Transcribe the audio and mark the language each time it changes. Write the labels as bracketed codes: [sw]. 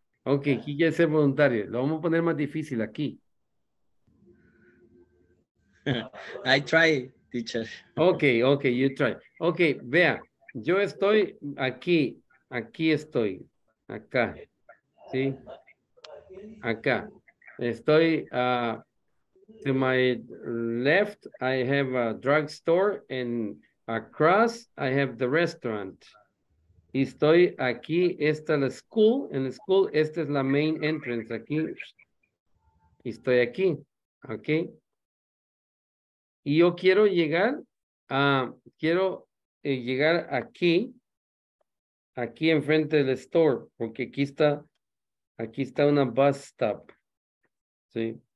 [es] Ok, ¿quién quiere ser voluntario? Lo vamos a poner más difícil aquí. [en] I try, teacher. Ok, ok, you try. [es] Ok, vea, yo estoy aquí, aquí estoy, acá, ¿sí? Acá. Estoy, [en] to my left, I have a drugstore, and across, I have the restaurant. [es] Y estoy aquí, esta es la school, en la school, esta es la [en] main entrance, [es] aquí. Y estoy aquí, ok. Y yo quiero llegar a, quiero llegar aquí, aquí enfrente del store, porque aquí está una [en] bus stop, [es] ¿sí?